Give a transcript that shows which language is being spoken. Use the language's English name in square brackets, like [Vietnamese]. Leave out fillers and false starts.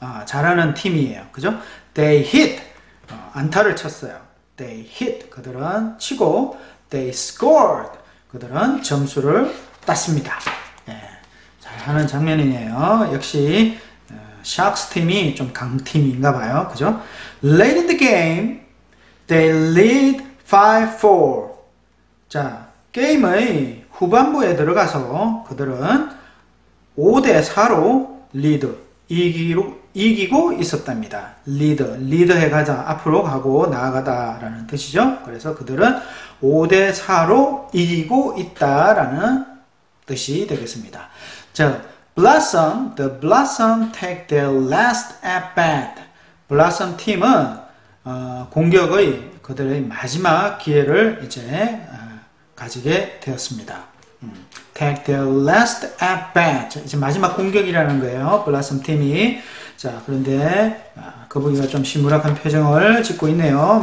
[Korean] 잘하는 팀이에요. 그죠? [English] They hit. [Korean] 안타를 쳤어요. [English] They hit. [Korean] 그들은 치고, [English] they scored. [Korean] 그들은 점수를 땄습니다. 잘하는 장면이네요. 역시. 샥스 팀이 좀 강팀인가 봐요. 그죠? [English] Late in the game, they lead 5-4. [Korean] 자, 게임의 후반부에 들어가서 그들은 5-4로 리드, 이기고 있었답니다. 리드 해가자. 앞으로 가고 나아가다라는 뜻이죠. 그래서 그들은 5-4로 이기고 있다라는 뜻이 되겠습니다. [English] 자, Blossom, the Blossom take their last at bat. [Korean] Blossom 팀은 공격의 그들의 마지막 기회를 이제 가지게 되었습니다. [English] Take their last at bat. [Korean] 이제 마지막 공격이라는 거예요. Blossom 팀이. 자, 그런데 거북이가 좀 심урак한 표정을 짓고 있네요.